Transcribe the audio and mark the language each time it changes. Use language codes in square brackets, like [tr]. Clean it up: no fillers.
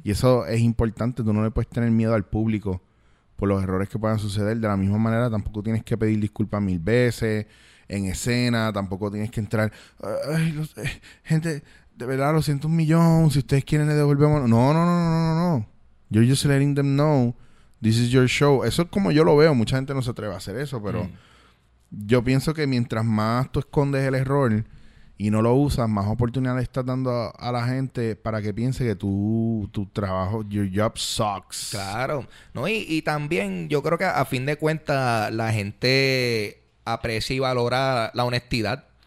[es] Y eso es importante. Tú no le puedes tener miedo al público por los errores que puedan suceder. De la misma manera, tampoco tienes que pedir disculpas mil veces en escena. Tampoco tienes que entrar, ay, gente, de verdad, lo siento un millón, si ustedes quieren le devolvemos. No. [en] You're just letting them know this is your show. [es] Eso es como yo lo veo. Mucha gente no se atreve a hacer eso, pero yo pienso que mientras más tú escondes el error y no lo usas, más oportunidad le estás dando a la gente para que piense que tu trabajo, [en] your job sucks. [es] Claro. No, y también yo creo que a fin de cuentas la gente aprecia y valora la honestidad.